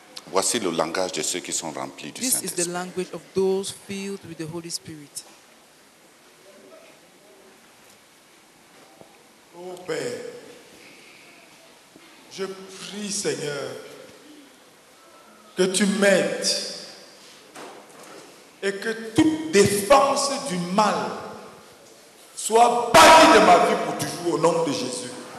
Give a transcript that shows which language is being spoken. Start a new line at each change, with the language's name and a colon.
French: Voici le langage de ceux qui sont remplis du Saint-Esprit.
English: This is the language of those filled with the Holy Spirit.
French: Oh Père, je prie Seigneur que tu m'aides et que toute défense du mal soit bannie de ma vie pour toujours au nom de Jésus.